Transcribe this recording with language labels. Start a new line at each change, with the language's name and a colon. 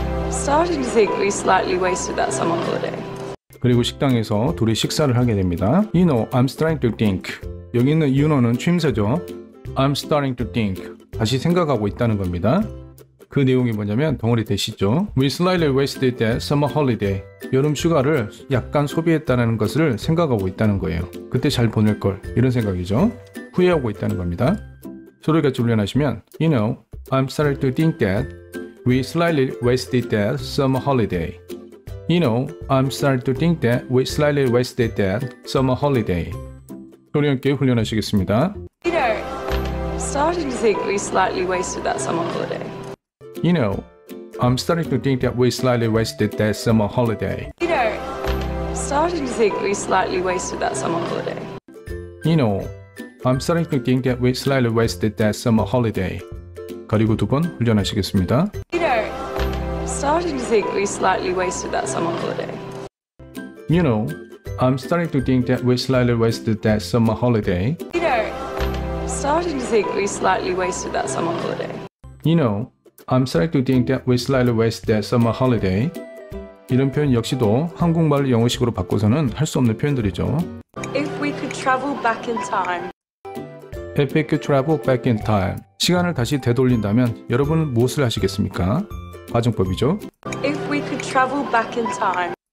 English: starting to think we slightly wasted that summer holiday.
Korean: 그리고 식당에서 둘이 식사를 하게 됩니다.
English: You know, I'm starting to think.
Korean: 여기 있는
English: you know는 추임새죠. I'm starting to think.
Korean: 다시 생각하고 있다는 겁니다. 그 내용이 뭐냐면 덩어리 되시죠?
English: We slightly wasted the summer holiday.
Korean: 여름 휴가를 약간 소비했다는 것을 생각하고 있다는 거예요. 그때 잘 보낼 걸. 이런 생각이죠. 후회하고 있다는 겁니다. 소리 같이 훈련하시면
English: You know, I'm starting to think that we slightly wasted the summer holiday. You know, I'm starting to think that we slightly wasted the summer holiday.
Korean: 소리 함께 훈련하시겠습니다.
English: You know, I'm starting to think we slightly wasted that summer holiday. You know, I'm starting to think that we slightly wasted that summer holiday. You know, I'm starting to think we slightly wasted that summer holiday. You know, I'm starting to think that we slightly wasted that summer holiday.
Korean: 그리고 두 번 훈련하시겠습니다.
English: You know, I'm starting to think we slightly wasted that summer holiday. You know, I'm starting to think that we slightly wasted that summer holiday. You know, I'm starting to think we slightly wasted that summer holiday. You know, I'm starting to think that we slightly wasted that summer holiday.
Korean: 이런 표현 역시도 한국말 영어식으로 바꿔서는 할 수 없는 표현들이죠.
English: If we could travel back in time. If we could travel back in time.
Korean: 시간을 다시 되돌린다면 여러분은 무엇을 하시겠습니까? 과정법이죠.
English: If we could travel back in time.